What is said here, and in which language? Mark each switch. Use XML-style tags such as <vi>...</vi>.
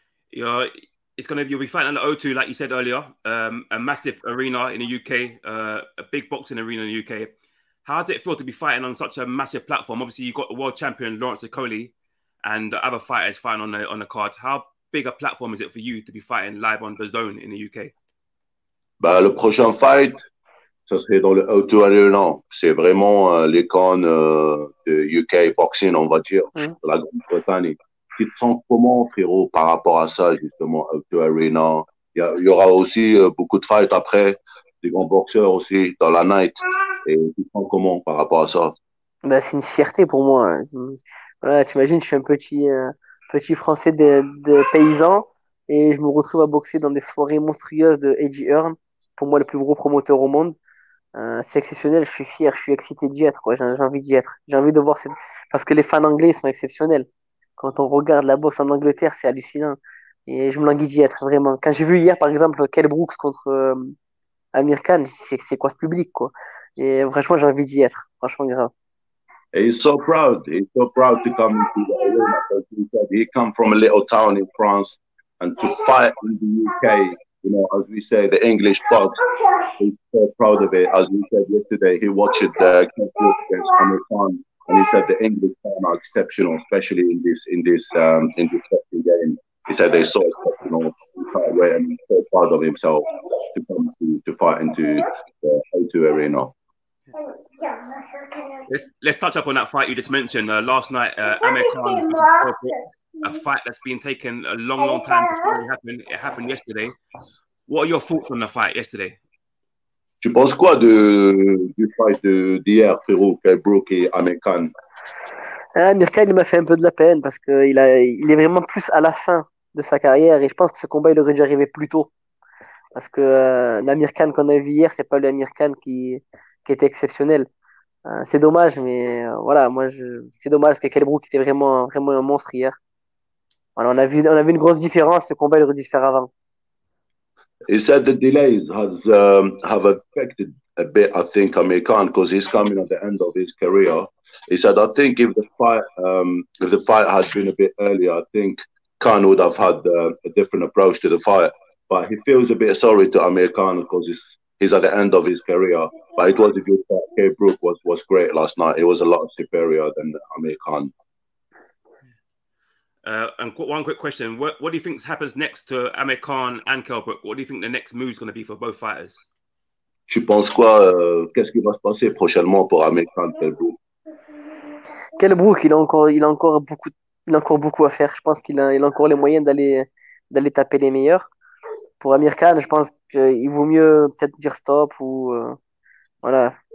<en>Yeah, you'll be fighting at the O2, like you said earlier, a massive arena in the UK, a big boxing arena in the UK. How does it feel to be fighting on such a massive platform? Obviously, you've got the world champion Lawrence Okolie and other fighters fighting on the card. How big a platform is it for you to be fighting live on the zone in the UK?</en> <fr>Bah, le prochain fight, ça serait dans le O2 Arena. C'est vraiment l'icône de UK boxing, on va dire, la Grande-Bretagne. Tu te sens comment, frérot, par rapport à ça, justement, O2 Arena? Il y aura aussi beaucoup de fights après, des grands boxeurs aussi, dans la night. Et tu te sens comment par rapport à ça? Bah, c'est une fierté pour moi. Voilà, tu imagines, je suis un petit Français de paysan et je me retrouve à boxer dans des soirées monstrueuses de Eddie Hearn. pour moi le plus gros promoteur au monde. C'est exceptionnel, je suis fier, je suis excité d'y être, quoi. J'ai envie d'y être. J'ai envie de voir cette... Parce que les fans anglais sont exceptionnels. Quand on regarde la boxe en Angleterre, c'est hallucinant. Et je me languis d'y être, vraiment. Quand j'ai vu hier, par exemple, Kell Brooks contre Amir Khan, c'est quoi ce public, quoi? Et franchement, j'ai envie d'y être. Franchement, grave. Et</fr> <en>he's so proud to come into the arena. He come from a little town in France and to fight in the UK. You know, as we say, the English box. He's so proud of it. As we said yesterday, he watched the Kell Brooks against Amir Khan, and he said the English fans are exceptional, especially in this boxing game. He said they saw it, you know, quite away, and so proud of himself to come to fight into the O2 arena. Let's touch up on that fight you just mentioned. Last night, Amir Khan, a fight that's been taken a long, long time before it happened yesterday. What are your thoughts on the fight yesterday?</en> <fr>Tu penses quoi du fight d'hier, Ferrou, Kell Brook et Amir Khan? Amir Khan, il m'a fait un peu de la peine parce qu'il est vraiment plus à la fin de sa carrière et je pense que ce combat il aurait dû arriver plus tôt parce que l'Amir Khan qu'on a vu hier c'est pas l'Amir Khan qui était exceptionnel. C'est dommage mais voilà, moi c'est dommage parce que Kell Brook était vraiment vraiment un monstre hier. Voilà, on a vu une grosse différence, ce combat il aurait dû se faire avant.</fr> <en>He said the delays has have affected a bit, I think, Amir Khan, because he's coming at the end of his career. He said I think if the fight had been a bit earlier, I think Khan would have had a different approach to the fight, but he feels a bit sorry to Amir Khan because he's at the end of his career. But it was a good fight. Kell Brook was great last night. It was a lot superior than Amir Khan. One quick question: what do you think happens next to Amir Khan and Kell Brook? What do you think the next move is going to be for both fighters?</en> <fr>Tu penses quoi? Qu'est-ce qui va se passer prochainement pour Amir Khan et Kell Brook? Kell Brook, il a encore beaucoup à faire. Je pense qu'il a encore les moyens d'aller taper les meilleurs. Pour Amir Khan, je pense qu'il vaut mieux peut-être dire stop ou voilà.</fr>